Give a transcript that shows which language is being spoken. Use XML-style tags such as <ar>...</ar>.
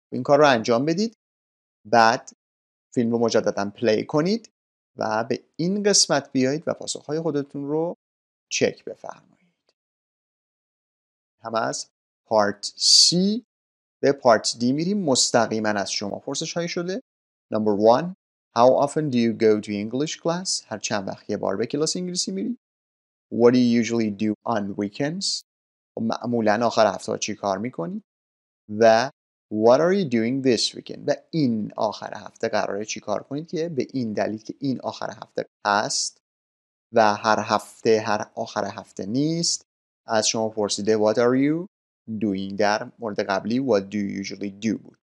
<fa>این کار رو انجام بدید. بعد فیلم رو مجددا پلی کنید و به این قسمت بیایید و پاسخهای خودتون رو چک بفرمایید. هم از پارت C به پارت D میریم. مستقیما از شما پرسش هایی شده.</fa> <en>Number one, how often do you go to English class?</en> <fa>هر چند وقت یه بار به کلاس انگلیسی میرید.</fa> <en>What do you usually do on weekends?</en> <fa>معمولا آخر هفته چی کار میکنی؟ و</fa> <en>What are you doing this weekend?</en> <fa>و این آخر هفته قراره چی کار کنید که به این دلیل که این آخر هفته هست و هر هفته هر آخر هفته نیست از شما پرسیده</fa> <en>What are you doing</en> <fa>در مورد قبلی</fa> <en>What do you usually do</en> <fa>بود.</fa>